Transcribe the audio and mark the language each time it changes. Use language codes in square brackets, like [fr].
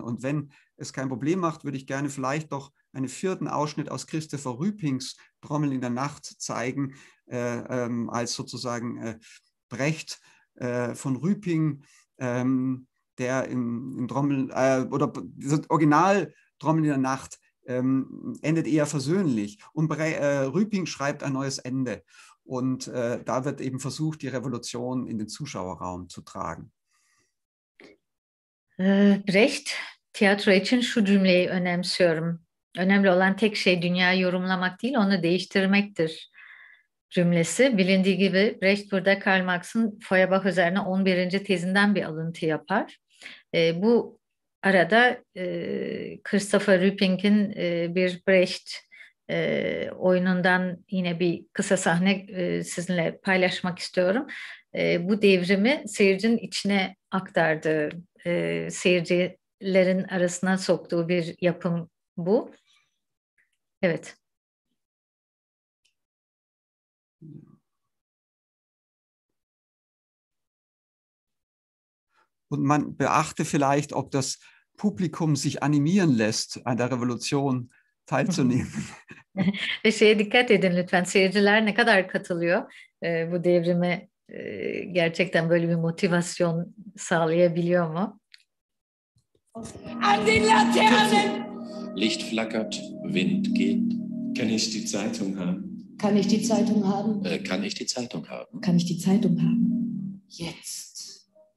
[de] Und wenn es kein Problem macht, würde ich gerne vielleicht doch einen vierten Ausschnitt aus Christopher Rüpings Trommeln in der Nacht zeigen, als sozusagen Brecht von Rüping, der in Trommeln, oder das Original Trommeln in der Nacht endet eher versöhnlich. Und Rüping schreibt ein neues Ende. Und da wird eben versucht, die Revolution in den Zuschauerraum zu tragen. [tr] Brecht, tiyatro için şu cümleyi önemsiyorum. Önemli olan tek şey dünyayı yorumlamak değil, onu değiştirmektir cümlesi. Bilindiği gibi Brecht burada Karl Marx'ın Feuerbach üzerine 11. tezinden bir alıntı yapar. Bu arada Christopher Rüpping'in bir Brecht oyunundan yine bir kısa sahne sizinle paylaşmak istiyorum. Bu devrimi seyircinin içine aktardığı, seyircilerin arasına soktuğu bir yapım bu. Evet. [de] Und man beachte vielleicht, ob das Publikum sich animieren lässt an der Revolution teilzunehmen. [tr] Ve şeye dikkat edin lütfen. Seyirciler ne kadar katılıyor bu devrime gerçekten böyle bir motivasyon sağlayabiliyor mu? [de] An den Laternen! Licht flackert, Wind geht. Kann ich die Zeitung haben? Kann ich die Zeitung haben? Kann ich die Zeitung haben? Kann ich die Zeitung haben? Jetzt.